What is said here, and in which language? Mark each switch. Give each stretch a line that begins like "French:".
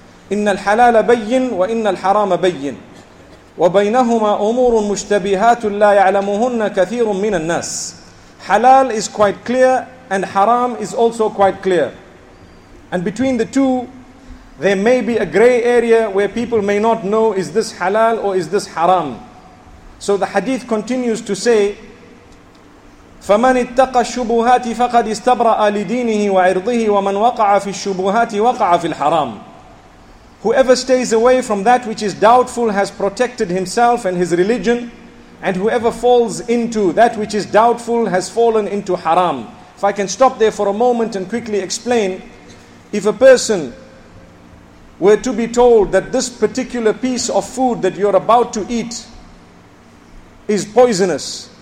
Arabic: إِنَّ الْحَلَالَ بَيِّنُ وَإِنَّ الْحَرَامَ بَيِّنُ وَبَيْنَهُمَا أُمُورٌ مُشْتَبِهَاتٌ لَا يَعْلَمُهُنَّ كَثِيرٌ مِّنَ النَّاسِ.
English: Halal is quite clear and haram is also quite clear. And between the two, there may be a grey area where people may not know, is this halal or is this haram? So the hadith continues to say,
Arabic: فَمَنِ اتَّقَ الشُّبُهَاتِ فَقَدْ إِسْتَبْرَأَ لِدِينِهِ وَعِرْضِهِ وَمَنْ وَقَعَ فِي الشُّبُهَاتِ وَقَعَ فِي الْحَرَامِ.
English: Whoever stays away from that which is doubtful has protected himself and his religion, and whoever falls into that which is doubtful has fallen into haram. If I can stop there for a moment and quickly explain, if a person were to be told that this particular piece of food that you're about to eat is poisonous,